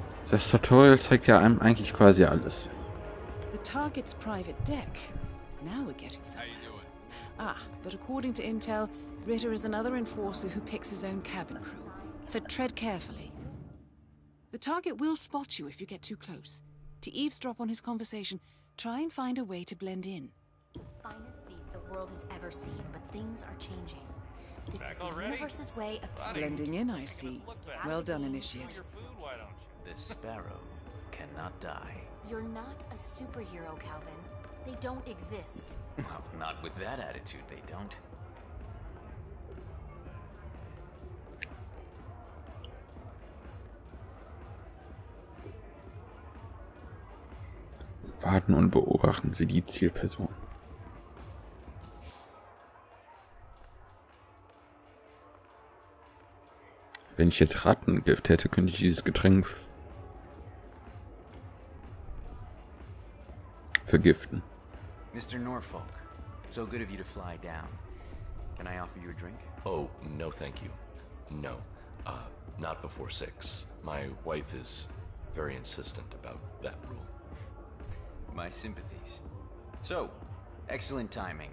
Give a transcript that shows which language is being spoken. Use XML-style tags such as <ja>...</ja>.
<de>Das Tutorial zeigt ja einem eigentlich quasi alles.</de> <en>The target's private deck. Now we're getting somewhere. How you doing? Ah, but according to Intel, Ritter is another enforcer who picks his own cabin crew. So tread carefully. The target will spot you if you get too close. To eavesdrop on his conversation, try and find a way to blend in. Finest beat the world has ever seen, but things are changing. This back is the already? Universe's way of blending in, I see. Well done, initiate. This sparrow cannot die. You're not a superhero, Calvin. They don't exist. Well, not with that attitude, they don't.</en> <de>Warten und beobachten Sie die Zielperson. Wenn ich jetzt Rattengift hätte, könnte ich dieses Getränk vergiften.</de> <en>Mr. Norfolk, so good of you to fly down. Can I offer you a drink? Oh, no, thank you. No, not before six. My wife is very insistent about that rule. My sympathies. So, excellent timing.</en>